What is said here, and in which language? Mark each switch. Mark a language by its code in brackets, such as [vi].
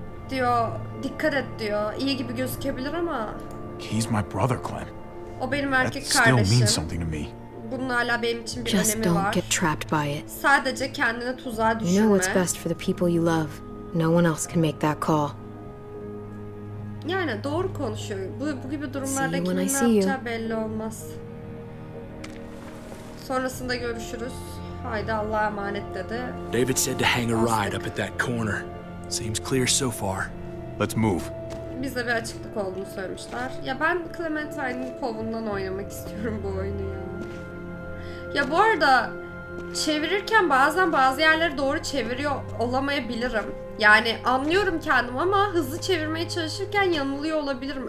[tr] Diyor, dikkat et diyor. İyi gibi gözükebilir ama. [en] He's my brother, Clem. [tr] O benim erkek kardeşim. [en] That still means something to me. [tr] Bunun hala benim için bir önemi var. [en] Just don't get trapped by it. [tr] Sadece kendine tuzağa düşme. [en] You know what's best for the people you love. No one else can make that call. [tr] Yani doğru konuşuyor. Bu gibi durumlarda kimin ne yapacağı belli olmaz. Sonrasında görüşürüz. Haydi Allah'a emanet dedi. [en] David said to hang a ride up at that corner. Seems clear so far. Let's move. [tr] Bize bir açıklık olduğunu söylemişler. Ya ben Clementine'in kovundan oynamak istiyorum bu oyunu ya. Ya bu arada çevirirken bazen bazı yerleri doğru çeviriyor olamayabilirim. Yani anlıyorum kendim ama hızlı çevirmeye çalışırken yanılıyor olabilirim.